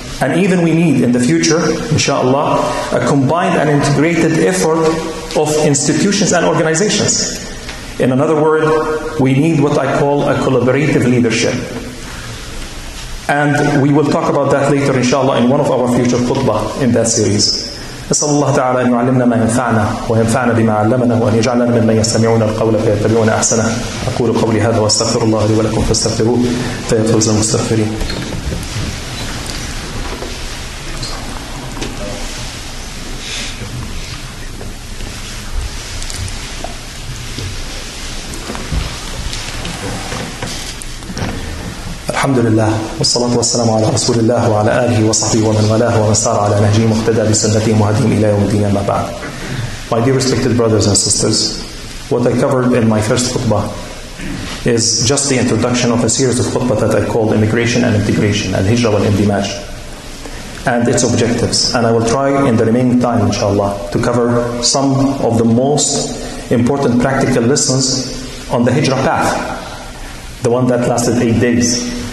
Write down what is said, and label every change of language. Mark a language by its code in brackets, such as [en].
[en] And even we need in the future, inshallah, a combined and integrated effort of institutions and organizations. In another word, we need what I call a collaborative leadership. And we will talk about that later, inshallah, in one of our future khutbah in that series. [ar] نسأل الله تعالى أن يعلمنا ما ينفعنا وينفعنا بما علمنا وأن يجعلنا ممن يستمعون القول فيتبعون أحسنه. أقول قولي هذا وأستغفر الله لي ولكم فاستغفروه فيا فوز المستغفرين. الحمد لله والصلاة والسلام على رسول الله وعلى آله وصحبه ومن والاه ومن سار على نهجه مقتدى بسنته مهديهم إلى يوم الدين أما بعد. [en] My dear respected brothers and sisters, what I covered in my first khutbah is just the introduction of a series of khutbah that I called Immigration and Integration, Al-Hijra wal-Indimaj, and its objectives. And I will try in the remaining time, inshallah, to cover some of the most important practical lessons on the Hijra path, the one that lasted 8 days.